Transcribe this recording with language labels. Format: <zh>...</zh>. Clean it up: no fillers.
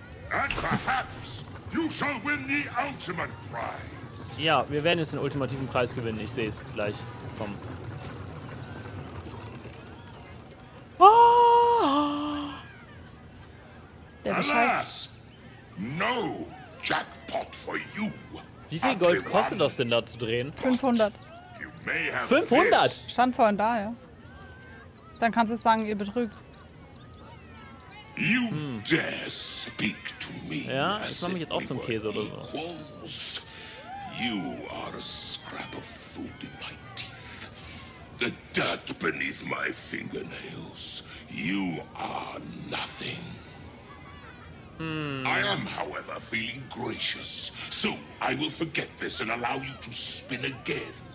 <en>And perhaps you shall win the ultimate prize.</en> <de>Ja, wir werden jetzt den ultimativen Preis gewinnen. Ich sehe es gleich. Komm.</de> <en>Alas! No jackpot for you!</en> <de>Wie viel Gold kostet das denn da zu drehen? 500. 500? Stand vorhin da, ja. Dann kannst du sagen, ihr betrügt.</de> <en>You dare speak to me.</en> <de>Ja, ich mach mich jetzt auch zum Käse oder so.</de> <en>You are a scrap of food in my teeth. The dirt beneath my fingernails. You are nothing. I am, however, feeling gracious. So I will forget this and allow you to spin again.</en>